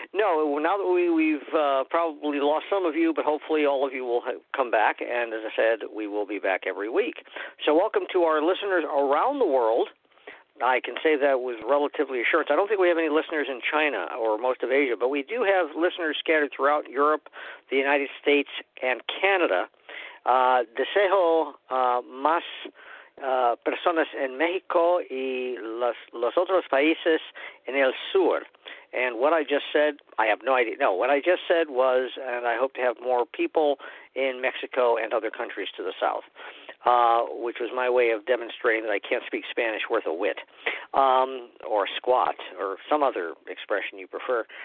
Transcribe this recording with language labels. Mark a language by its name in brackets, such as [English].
[English] No, now that we've probably lost some of you, but hopefully all of you will come back. And as I said, we will be back every week. So welcome to our listeners around the world. I can say that with relatively assurance. I don't think we have any listeners in China or most of Asia, but we do have listeners scattered throughout Europe, the United States, and Canada. [Spanish] Desejo más personas en México y los otros países en el sur. [English] And what I just said, I have no idea. No, what I just said was, and I hope to have more people in Mexico and other countries to the south, which was my way of demonstrating that I can't speak Spanish worth a whit, or squat, or some other expression you prefer.